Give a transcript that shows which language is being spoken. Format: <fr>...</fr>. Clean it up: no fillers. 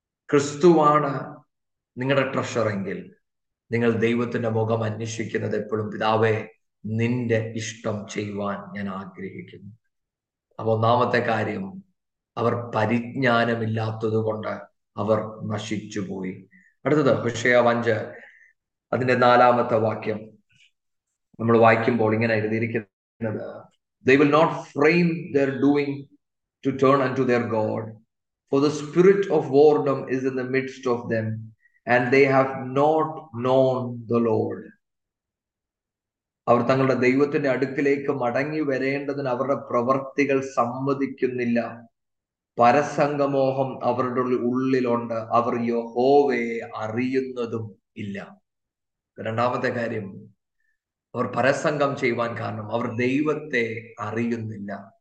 <ml>ക്രിസ്തുവാണ് നിങ്ങളുടെ ട്രഷർ എങ്കിൽ നിങ്ങൾ ദൈവത്തിൻ്റെ മുഖം അന്വേഷിക്കുന്നത് എപ്പോഴും പിതാവേ നിന്റെ ഇഷ്ടം ചെയ്യുവാൻ ഞാൻ ആഗ്രഹിക്കുന്നു. അപ്പൊ ഒന്നാമത്തെ കാര്യം, അവർ പരിജ്ഞാനമില്ലാത്തത് കൊണ്ട് അവർ നശിച്ചുപോയി. അടുത്തത് ഹോശേയ 5 അതിൻ്റെ നാലാമത്തെ വാക്യം നമ്മൾ വായിക്കുമ്പോൾ ഇങ്ങനെ എഴുതിയിരിക്കുന്നത്,</ml> <en>They will not frame their doing to turn unto their God, For the spirit of whoredom is in the midst of them, and they have not known the Lord.</en> <ml>അവർ തങ്ങളുടെ ദൈവത്തിന്റെ അടുക്കിലേക്ക് മടങ്ങി വരേണ്ടതിന് അവരുടെ പ്രവൃത്തികൾ സമ്മതിക്കുന്നില്ല. പരസംഗമോഹം അവരുടെ ഉള്ളിലുണ്ട്. അവർ യഹോവയെ അറിയുന്നതും ഇല്ല. രണ്ടാമത്തെ കാര്യം, അവർ പരസംഗം ചെയ്യുവാൻ കാരണം അവർ ദൈവത്തെ അറിയുന്നില്ല.</ml>